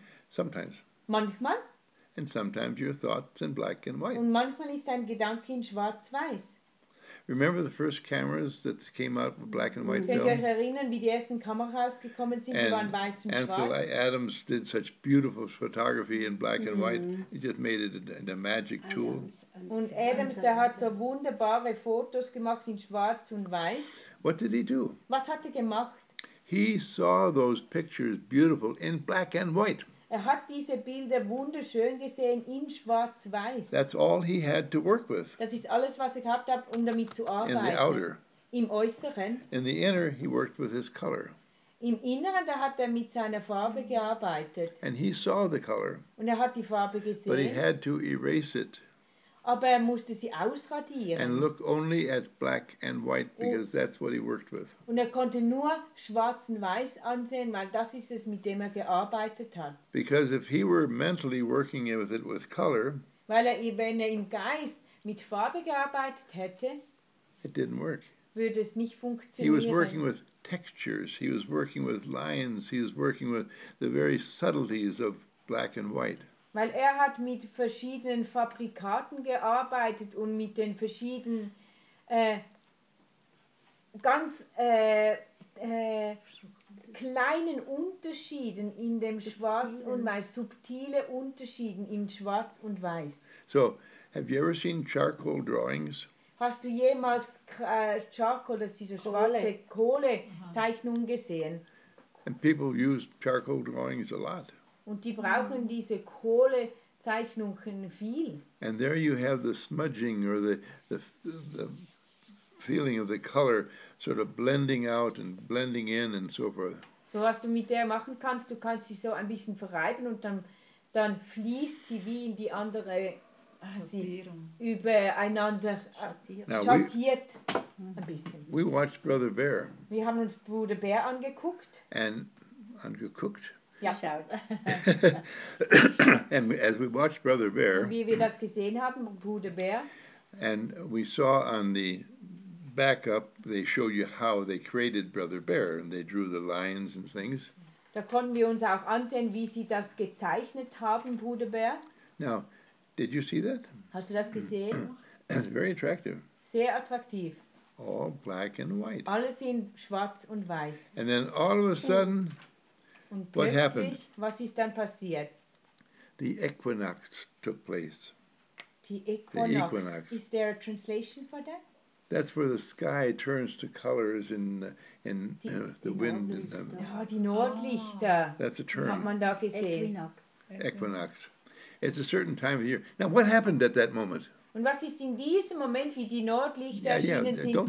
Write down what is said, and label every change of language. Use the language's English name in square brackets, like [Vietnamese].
[English] Sometimes. [German] Manchmal. [English] And sometimes your thoughts in black and white. [German] Und manchmal ist dein Gedanke in schwarz-weiß. [English] Remember the first cameras that came out with black and white film? [German] Könnt ihr erinnern, wie die ersten Kameras gekommen sind, die waren weiß und schwarz? [English] Ansel Adams did such beautiful photography in black and white. He just made it a magic tool. [German] Und Adams, der hat so wunderbare Fotos gemacht in schwarz und weiß. [English] What did he do? [German] Was hat er gemacht? [English] He saw those pictures beautiful in black and white. [German] Er hat diese Bilder wunderschön gesehen in schwarz-weiß. [English] That's all he had to work with. [German] Das ist alles, was er gehabt hat, um damit zu arbeiten. [English] In the outer. [German] Im Äußeren. [English] In the inner, he worked with his color. [German] Im Inneren, da hat er mit seiner Farbe gearbeitet. [English] And he saw the color. [German] Und er hat die Farbe gesehen. [English] But he had to erase it. [German] Aber er musste sie ausradieren. [English] And look only at black and white, because that's what he worked with. [German] Und er konnte nur schwarz und weiß ansehen, weil das ist es, mit dem er gearbeitet hat. [English] Because if he were mentally working with it with color, [German] weil er, wenn er im Geist mit Farbe gearbeitet hätte, [English] it didn't work. [German] Würde es nicht funktionieren. [English] He was working with textures, he was working with lines, he was working with the very subtleties of black and white. [German] Weil er hat mit verschiedenen Fabrikaten gearbeitet und mit den verschiedenen kleinen Unterschieden in dem Schwarz und Weiß, subtile Unterschieden im Schwarz und Weiß. [English] So, have you ever seen charcoal drawings? [German] Hast du jemals Charcoal, das ist diese schwarze Kohlezeichnung gesehen? [English] And people use charcoal drawings a lot. [German] Und die brauchen diese Kohlezeichnungen viel. [English] And there you have the smudging or the feeling of the color sort of blending out and blending in and so forth. [German] So was du mit der machen kannst, du kannst sie so ein bisschen verreiben und dann fließt sie wie in die andere übereinander schattiert ein bisschen. [English] We watched Brother Bear. [German] Wir haben uns Bruder Bär angeguckt. And angeguckt. [English] Yeah. And as we watched Brother Bear, [German] wie wir das gesehen haben, Bruder Bär, [English] and we saw on the backup, they show you how they created Brother Bear, and they drew the lines and things. [German] Da konnten wir uns auch ansehen, wie sie das gezeichnet haben, Bruder Bär. [English] Now, did you see that? [German] Hast du das gesehen? [English] It's very attractive. [German] Sehr attraktiv. [English] All black and white. [German] Alles in schwarz und weiß. [English] And then all of a sudden, [German] und [English] what happened? [German] Was ist dann passiert? [English] The equinox took place. The equinox. Is there a translation for that? That's where the sky turns to colors in the wind. [German] Die Nordlichter. [English] That's a term. [German] Hat man da gesehen. [English] Equinox. It's a certain time of year. Now, what happened at that moment? [German] Und was ist in diesem Moment, wie die Nordlichter erschienen sind, passiert?